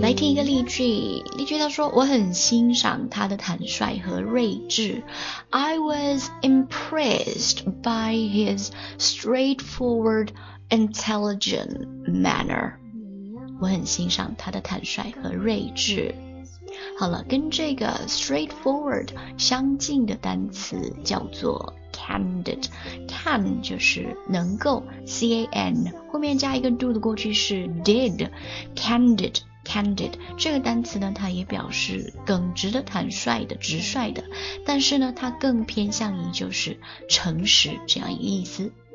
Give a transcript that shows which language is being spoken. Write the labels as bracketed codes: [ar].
[zh] 来听一个例句，例句他说我很欣赏他的坦率和睿智。 [en] I was impressed by his straightforward, intelligent manner. [zh] 我很欣赏他的坦率和睿智。好了，跟这个 straightforward 相近的单词叫做 candid， can 就是能够 C-A-N 后面加一个 do 的过去式 did， candid， candid 这个单词呢，它也表示耿直的、坦率的、直率的，但是呢它更偏向于就是诚实这样一个意思。